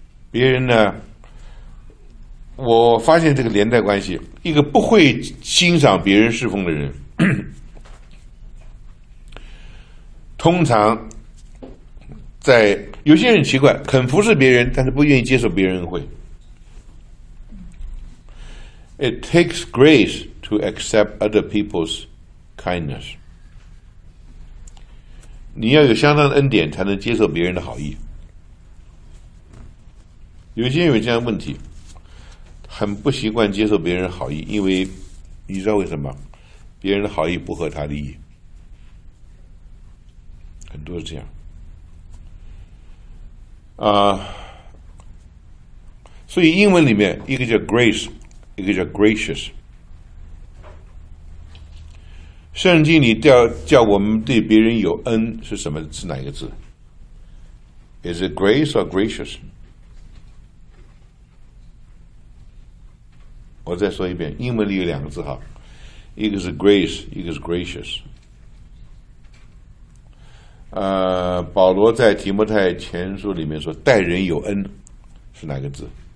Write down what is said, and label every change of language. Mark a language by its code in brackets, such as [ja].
[zh] 别人呢，我发现这个连带关系，一个不会欣赏别人侍奉的人，通常在有些人奇怪，肯服侍别人，但是不愿意接受别人恩惠。 [en] It takes grace to accept other people's kindness. [zh] 你要有相当的恩典才能接受别人的好意。有些人有这样的问题，很不习惯接受别人好意，因为你知道为什么？别人的好意不合他利益，很多是这样。啊，所以英文里面一个叫 grace， 一个叫 gracious。圣经里叫我们对别人有恩是什么？是哪一个字 [en] ？Is it grace or gracious？ [zh] 我再说一遍，英文里有两个字哈，一个是 grace， 一个是 gracious。保罗在提摩太前书里面说，待人有恩，是哪个字